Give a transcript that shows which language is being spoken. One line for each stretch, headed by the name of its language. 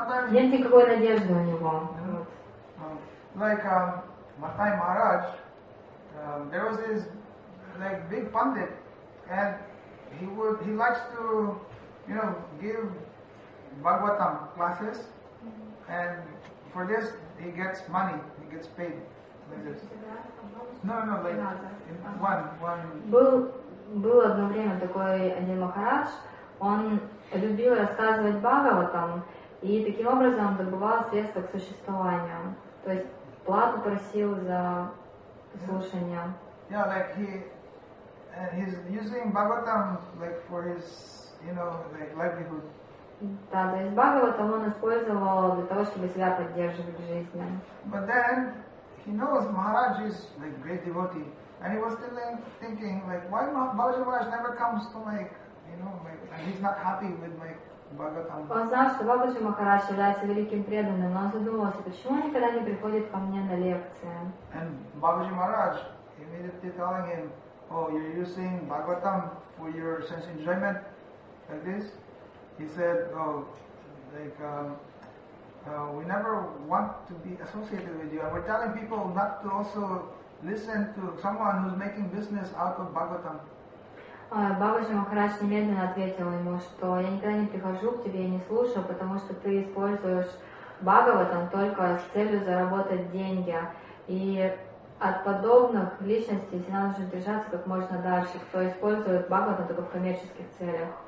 Russian: нет никакой надежды у него.
English: Like Matai Maharaj, there was this like big pundit, and he likes to, you know, give Bhagavatam classes, and for this he gets money. Gets paid like this. No, like one.
Russian: Был одно время такой один Махарадж, он любил рассказывать Бхагаватам и таким образом добывал средства к существованию. То есть плату просил за слушание.
English: Yeah, like he's using Bhagavatam like for his, you know, like livelihood.
Russian: Да, то есть Бхагаватам он использовал для того, чтобы себя поддерживать в жизни.
English: But then he knows Maharaj is like great devotee, and he was still thinking like, why Bhagavad Maharaj never comes to and he's not happy with my Bhagavatam.
Russian: Он знал, что Бабаджи Махарадж является великим преданным, но он задумался, почему он никогда не приходит ко мне на лекции.
English: And Бабаджи Махарадж immediately telling him, oh, you're using Bhagavatam for your sense enjoyment, like this. He said, oh, like, we never want to be associated with you. And we're telling people not to also listen to someone who's making business out of Bhagavatam.
Russian: Бабаджи Махарадж немедленно ответил ему, что я никогда не прихожу к тебе и не слушаю, потому что ты используешь Бхагаватам только с целью заработать деньги. И от подобных личностей всегда нужно держаться как можно дальше, кто использует Бхагаватам только в коммерческих целях.